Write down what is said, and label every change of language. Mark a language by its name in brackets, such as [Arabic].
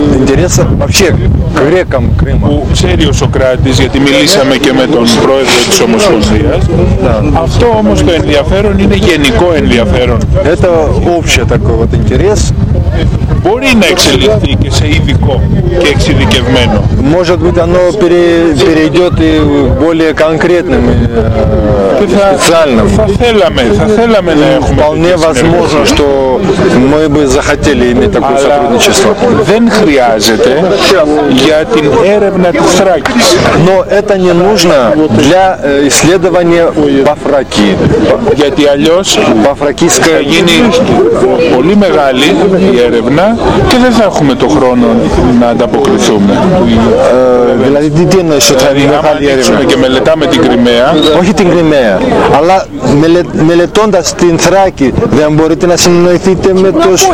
[Russian] Интереса вообще грекам Крыма. [Greek] Που ξέρει ο Σοκράτης, γιατί μιλήσαμε και με τον πρόεδρο της Ομοσπονδίας. Αυτό όμως το ενδιαφέρον είναι γενικό ενδιαφέρον. [Russian] Это общий такой вот интерес. [Greek] Μπορεί να εξελιχθεί και σε ειδικό και εξειδικευμένο. [Russian] Может быть оно перейдет и более конкретным специальным. [Greek] Θα θέλαμε να έχουμε. [Russian] Вполне возможно, что мы бы захотели иметь такое сотрудничество. [Greek] Δεν χρειάζεται για την έρευνα της Θράκης. [Russian] Но это не нужно для исследования по Фракии. [Greek] Γιατί αλλιώς [Russian] по Фракийской [Greek] θα γίνει πολύ μεγάλη η έρευνα και δεν θα έχουμε το χρόνο να ανταποκριθούμε. Δηλαδή τι εννοεί ότι θα είναι μεγάλη έρευνα και μελετάμε την Κρυμαία. Όχι την Κρυμαία, αλλά μελετώντας την Θράκη δεν μπορείτε να συνοηθείτε με το